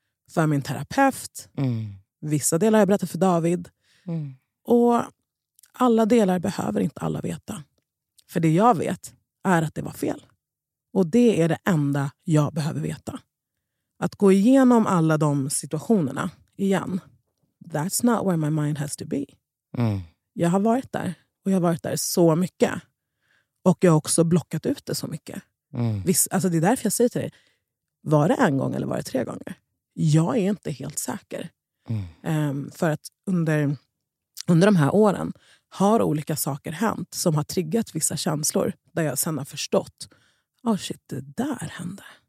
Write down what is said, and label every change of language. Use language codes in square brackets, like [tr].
[sv] För min terapeut. Mm. Vissa delar har jag berättat för David. Mm. Och alla delar behöver inte alla veta. För det jag vet är att det var fel. Och det är det enda jag behöver veta. Att gå igenom alla de situationerna igen. [en] That's not where my mind has to be. Mm. [sv] Jag har varit där. Och jag har varit där så mycket. Och jag har också blockat ut det så mycket. Mm. Alltså det är därför jag säger till dig. Var det en gång eller var det tre gånger? Jag är inte helt säker. Mm. För att under de här åren har olika saker hänt som har triggat vissa känslor där jag sedan har förstått, oh shit, det där hände.